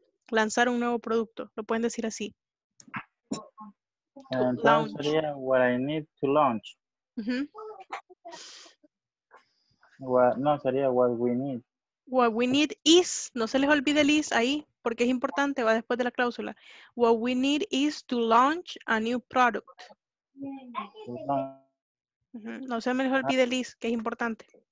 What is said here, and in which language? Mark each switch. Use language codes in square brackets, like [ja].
[es] Lanzar un nuevo producto. Lo pueden decir así. [en] What I need to launch. Mm-hmm. [es] Sería [en] what we need. What we need is, [es] no se les olvide el is ahí, porque es importante, va después de la cláusula. [en] What we need is to launch a new product. [es] No se me olvide, Liz, que es importante.